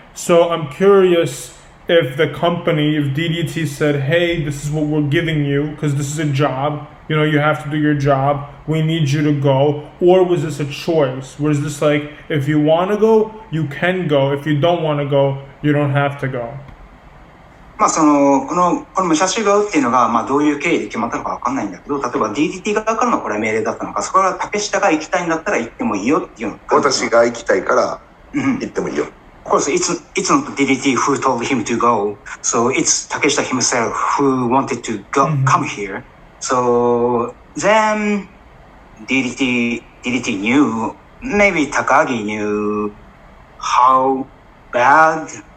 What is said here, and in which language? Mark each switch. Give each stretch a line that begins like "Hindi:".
English: So I'm curious if the company, if DDT said, hey, this is what we're giving you because this is a job. You know, you have to do your job. We need you to go. Or was this a choice? Was this like, if you want to go, you can go. If you don't want to go, you don't have to go.
Japanese: まあ、そのこの武者修行っていうのがまあどういう経緯で決まったのか分かんないんだけど、例えば DDT 側からのこれ命令だったのか、そこから竹下が行きたいんだったら行ってもいいよっていうの。私が行きたいから行ってもいいよ。
English: Of course, it's not DDT who told him to go. So it's 竹下 himself who wanted to go, come here. So then DDT knew, maybe Takagi knew how bad...